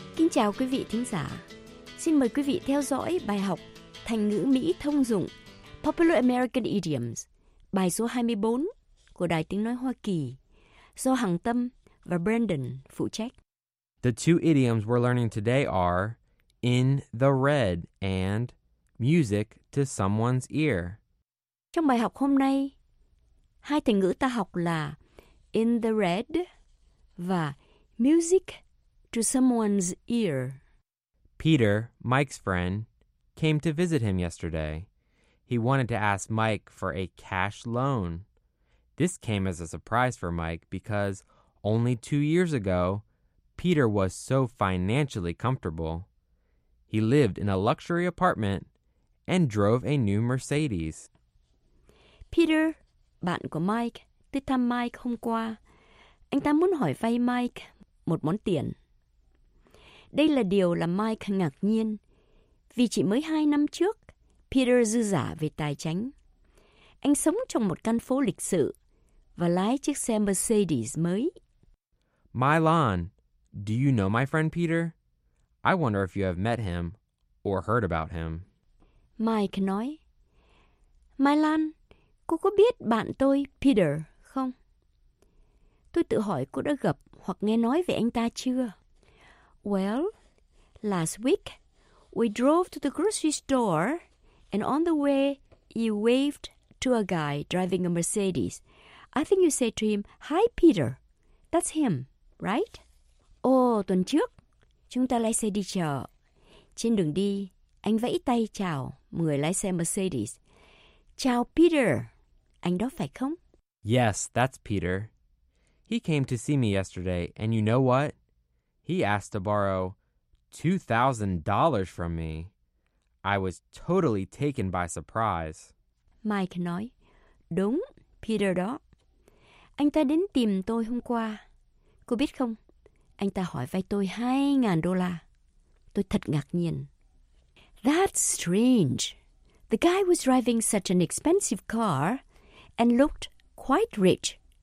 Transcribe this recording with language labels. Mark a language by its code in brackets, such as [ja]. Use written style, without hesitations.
[vi] Chào quý vị thính giả. Xin mời quý vị theo dõi bài học thành ngữ Mỹ thông dụng [en] Popular American Idioms, [vi] bài số 24 của Đài Tiếng Nói Hoa Kỳ do Hằng Tâm và Brandon phụ trách. [en] The two idioms we're learning today are in the red and music to someone's ear. [vi] Trong bài học hôm nay, hai thành ngữ ta học là in the red và music to someone's ear. [en] Peter, Mike's friend, came to visit him yesterday. He wanted to ask Mike for a cash loan. This came as a surprise for Mike because only 2 years ago, Peter was so financially comfortable. He lived in a luxury apartment and drove a new Mercedes. [vi] Peter, bạn của Mike, tới thăm Mike hôm qua. Anh ta muốn hỏi vay Mike một món tiền. Đây là điều làm Mike ngạc nhiên, vì chỉ mới 2 năm trước, Peter dư giả về tài chính. Anh sống trong một căn phố lịch sự và lái chiếc xe Mercedes mới. [en] Mylon, do you know my friend Peter? I wonder if you have met him or heard about him. [vi] Mike nói, Mylon, cô có biết bạn tôi, Peter, không? Tôi tự hỏi cô đã gặp hoặc nghe nói về anh ta chưa? [en] Well, last week, we drove to the grocery store, and on the way, you waved to a guy driving a Mercedes. I think you said to him, hi, Peter. That's him, right? [vi] Oh, tuần trước, chúng ta lái xe đi chợ. Trên đường đi, anh vẫy tay chào người lái xe Mercedes. Chào, Peter. Anh đó phải không? [en] Yes, that's Peter. He came to see me yesterday, and you know what? He asked to borrow $2,000 from me. I was totally taken by surprise. [vi] Mike nói, đúng, Peter đó. Anh ta đến tìm tôi hôm qua. Cô biết không, anh ta hỏi vay tôi $2,000. Tôi thật ngạc nhiên. [en] That's strange. The guy was driving such an expensive car and looked quite rich.